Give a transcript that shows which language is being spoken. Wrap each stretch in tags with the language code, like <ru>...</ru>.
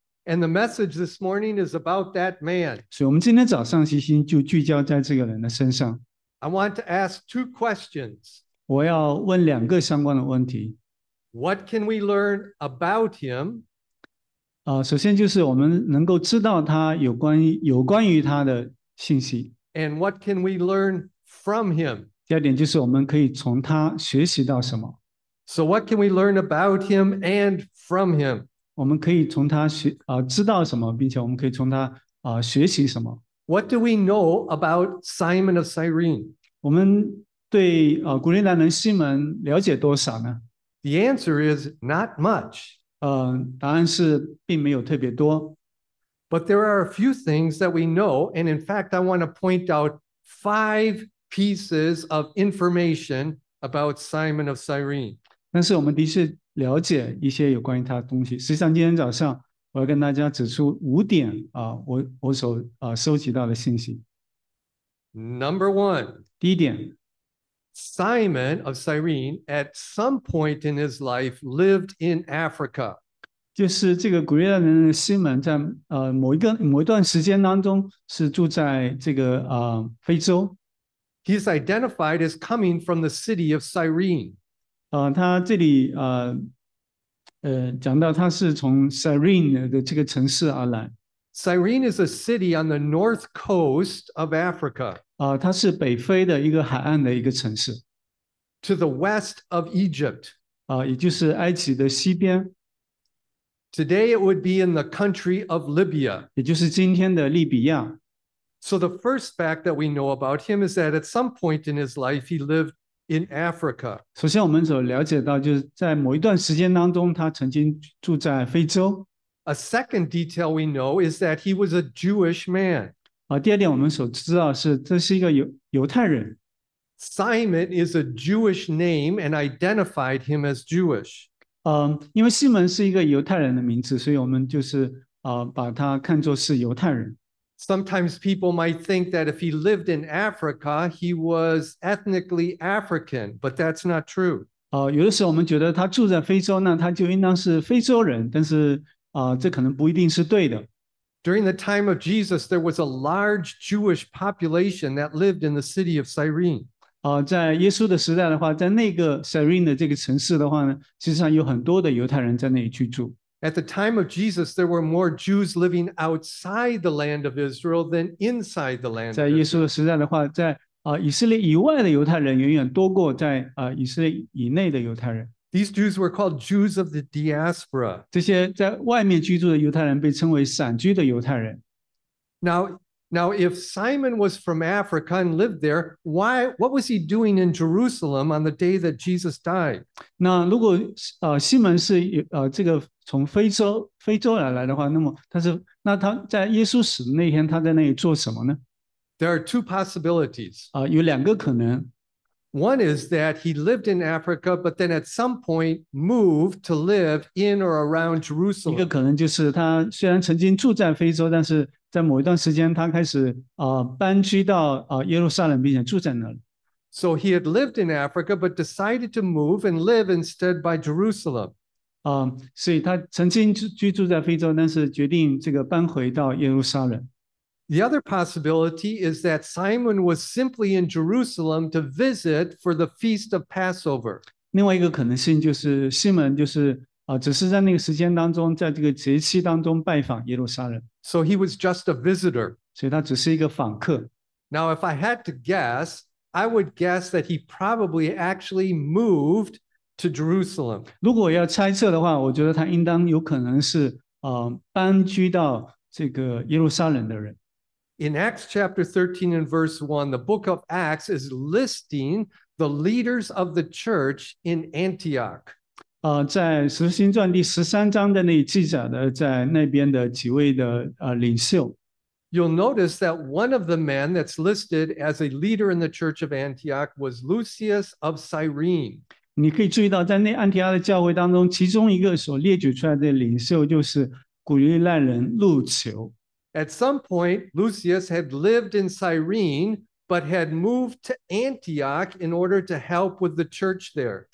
<en>And the message this morning is about that man.</en> <zh>所以我们今天早上其实就聚焦在这个人的身上。</zh> <en>I want to ask two questions.</en> <zh>我要问两个相关的问题。</zh> <en>What can we learn about him?</en> <zh>首先就是我们能够知道他有关于他的信息。</zh> <en>And what can we learn from him?</en> <zh>第二点就是我们可以从他学习到什么。</zh> <en>So what can we learn about him and from him?</en> <zh>我们可以从他知道什么，并且我们可以从他学习什么。</zh> <en>What do we know about Simon of Cyrene?</en> <zh>我们对古利奈人西门了解多少呢？</zh> <en>The answer is not much.</en> <zh>答案是并没有特别多。</zh> <en>But there are a few things that we know, and in fact, I want to point out five pieces of information about Simon of Cyrene.</en> <zh>但是我们的确了解一些有关于他的东西。实际上，今天早上我要跟大家指出五点我所收集到的信息。</zh> <en>Number one.</en> <zh>第一点。</zh> <en>Simon of Cyrene at some point in his life lived in Africa.</en> <zh>就是这个古利奈人西门在某一段时间当中是住在这个非洲。</zh> <en>He's identified as coming from the city of Cyrene.</en> <zh>他这里讲到他是从 Cyrene 的这个城市而来。</zh> <en>Cyrene is a city on the north coast of Africa.</en> <zh>它是北非的一个海岸的一个城市。</zh> <en>To the west of Egypt.</en> <zh>也就是埃及的西边。</zh> <en>Today it would be in the country of Libya.</en> <zh>也就是今天的利比亚。</zh> <en>So the first fact that we know about him is that at some point in his life he lived in Africa.</en> <zh>首先我们所了解到就是在某一段时间当中他曾经住在非洲。</zh> <en>A second detail we know is that he was a Jewish man.</en> <zh>第二点我们所知道是这是一个犹太人。</zh> <en>Simon is a Jewish name and identified him as Jewish.</en> <zh>因为西门是一个犹太人的名字，所以我们就是把他看作是犹太人。</zh> <en>Sometimes people might think that if he lived in Africa, he was ethnically African, but that's not true.</en> <zh>有的时候我们觉得他住在非洲，那他就应当是非洲人，但是这可能不一定是对的。</zh> <en>During the time of Jesus, there was a large Jewish population that lived in the city of Cyrene.</en> <zh>在耶稣的时代的话，在那个 Cyrene 的这个城市的话呢，实际上有很多的犹太人在那里居住。</zh> <en>At the time of Jesus, there were more Jews living outside the land of Israel than inside the land of Israel.</en> <zh>在耶稣的时代的话，在以色列以外的犹太人远远多过在以色列以内的犹太人。</zh> <en>These Jews were called Jews of the diaspora.</en> <zh>这些在外面居住的犹太人被称为散居的犹太人。</zh> <en>Now, if Simon was from Africa and lived there, what was he doing in Jerusalem on the day that Jesus died?</en> <zh>那如果西门是这个从非洲来的话，那他在耶稣死的那天，他在那里做什么呢？</zh> <en>There are two possibilities.</en> <zh>有两个可能。</zh> <en>One is that he lived in Africa, but then at some point moved to live in or around Jerusalem.</en> <zh>一个可能就是他虽然曾经住在非洲，但是在某一段时间他开始搬居到耶路撒冷，并且住在那里。</zh> <en>So he had lived in Africa, but decided to move and live instead by Jerusalem.</en> <zh>所以他曾经居住在非洲，但是决定这个搬回到耶路撒冷。</zh> <en>The other possibility is that Simon was simply in Jerusalem to visit for the feast of Passover.</en> <zh>另外一个可能性就是西门就是只是在那个时间当中，在这个节期当中拜访耶路撒冷。</zh> <en>So he was just a visitor.</en> <zh>所以他只是一个访客。</zh> <en>Now, if I had to guess, I would guess that he probably actually moved to Jerusalem.</en> <zh>如果要猜测的话，我觉得他应当有可能是搬居到这个耶路撒冷的人。</zh> <en>In Acts chapter 13 and verse 1, the book of Acts is listing the leaders of the church in Antioch.</en> <zh>在《使徒行传》第十三章的那里记载的在那边的几位的领袖。</zh> <en>You'll notice that one of the men that's listed as a leader in the church of Antioch was Lucius of Cyrene.</en> <zh>你可以注意到在那安提阿的教会当中其中一个所列举出来的领袖就是古利奈人路求。</zh> <en>At some point, Lucius had lived in Cyrene, but had moved to Antioch in order to help with the church there.</en>